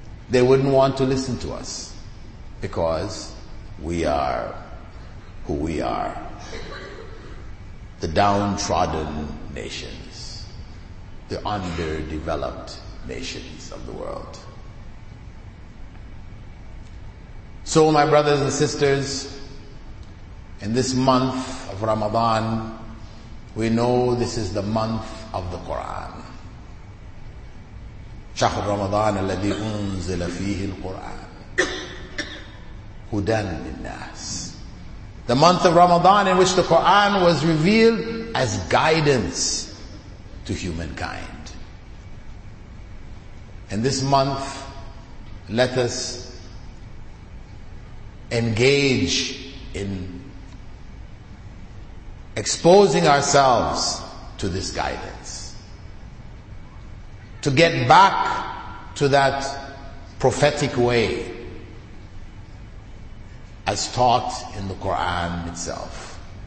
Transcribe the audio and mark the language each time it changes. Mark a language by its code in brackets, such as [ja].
[en] They wouldn't want to listen to us because we are who we are, the downtrodden nations, the underdeveloped nations of the world. So my brothers and sisters, in this month of Ramadan, we know this is the month of the Quran. [ar] شهر رمضان الذي أنزل فيه القرآن هدى للناس. [en] The month of Ramadan in which the Quran was revealed as guidance to humankind. In this month, let us engage in exposing ourselves to this guidance, to get back to that prophetic way as taught in the Quran itself.